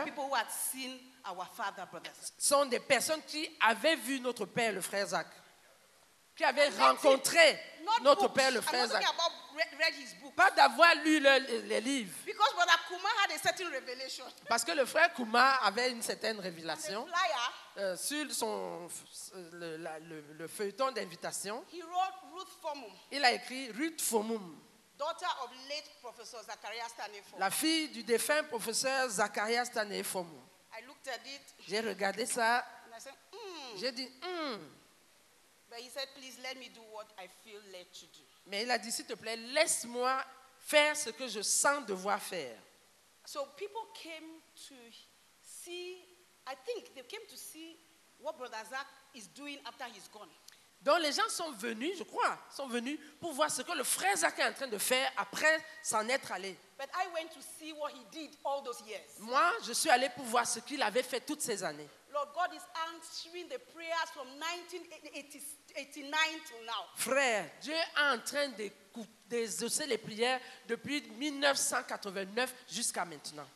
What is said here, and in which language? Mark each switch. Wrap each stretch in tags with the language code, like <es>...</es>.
<en>Are people who had seen our father, brother.</en> <fr>Sont des personnes qui avaient vu notre père, le frère Zach. Qui avaient rencontré notre père, le frère Zach. Pas d'avoir lu les livres.</fr> <en>Because brother Kuma had a certain revelation.</en> <fr>Parce que le frère Kuma avait une certaine révélation. Sur son le feuilleton d'invitation.</fr> <en>He wrote Ruth Fomum.</en> <fr>Il a écrit Ruth Fomum.</fr> <en>Daughter of late professor Zacharias Tanefomu.</en> <fr>La fille du défunt professeur Zacharias Tanefomu.</fr> <en>I looked at it.</en> <fr>J'ai regardé ça.</fr> <en>And I said, mm.</en> <fr>J'ai dit mm.</fr> <en>But he said, please let me do what I feel led to do.</en> <fr>Mais il a dit, s'il te plaît, laisse-moi faire ce que je sens devoir faire.</fr> <en>So people came to see, I think they came to see what Brother Zach is doing after he's gone.</en> <fr>Donc les gens sont venus, je crois, sont venus pour voir ce que le frère Zach est en train de faire après s'en être allé.</fr> <en>But I went to see what he did all those years.</en> <fr>Moi, je suis allé pour voir ce qu'il avait fait toutes ces années.</fr> <en>Lord God is answering the prayers from 1989 till now.</en> <fr>Frère, Dieu est en train d'exaucer les prières depuis 1989 jusqu'à maintenant.</fr>